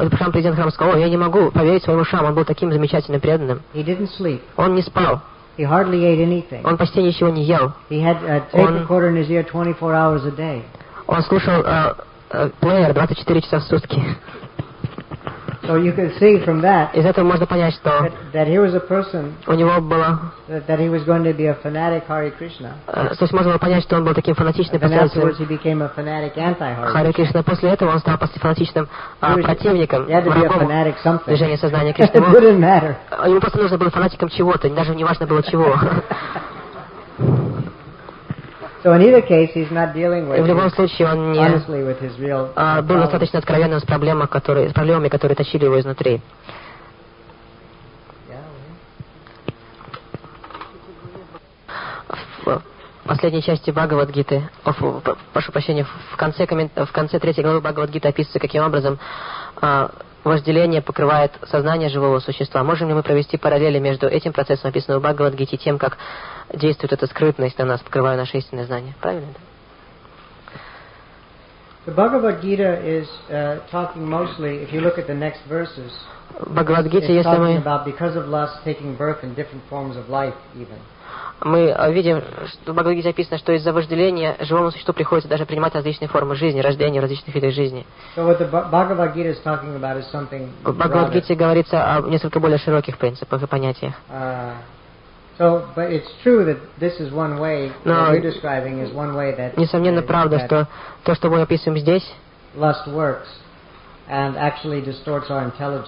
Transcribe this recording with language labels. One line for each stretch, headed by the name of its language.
Russian: президент храма сказал: я не могу поверить своим ушам, он был таким замечательным преданным. Он не спал.
English: He hardly ate anything.
Russian: Он почти ничего не ел.
English: He had a tape recorder in his ear 24 hours a day.
Russian: Он слушал плеер 24 часа в сутки.
English: So you can see from that.
Russian: Из этого можно понять, что
English: that he was a person.
Russian: У него было
English: that he was going to be a fanatic Hare Krishna.
Russian: То есть можно было понять, что он был таким фанатичным последователем.
English: Afterwards he became a fanatic anti-Hare Krishna.
Russian: После этого он стал фанатичным противником.
English: He had to be a fanatic something.
Russian: Движение сознания Кришны.
English: It didn't matter.
Russian: Ему просто нужно было фанатиком чего-то, даже не важно было чего.
English: So in either case, he's not dealing with.
Russian: В любом случае, он не
English: honestly with his real
Russian: был достаточно откровенным с проблемами, которые тащили его изнутри. В последней части Бхагавад-гиты, в конце третьей главы Бхагавад-гиты описывается, каким образом вожделение покрывает сознание живого существа. Можем ли мы провести параллели между этим процессом, описанным в Бхагавад-гите, и тем, как действует эта скрытность на нас, покрывая наше истинное знание? Правильно?
English: The Bhagavad-gita is talking mostly, if you look at the next verses,
Russian: Бхагавад-гите, если мы
English: about because of lust taking birth in different forms of life even.
Russian: Мы видим, что в Бхагавад-гите описано, что из-за вожделения живому существу приходится даже принимать различные формы жизни, рождение различных видов жизни.
English: So what the Bhagavad-gita is talking about is something broader.
Russian: В Бхагавад-гите говорится о несколько более широких принципах и понятиях.
English: So, but it's true that this is one way that you're describing is one way that.
Russian: Несомненно, правда, что то, что мы описываем здесь,
English: lust works and actually distorts our intelligence.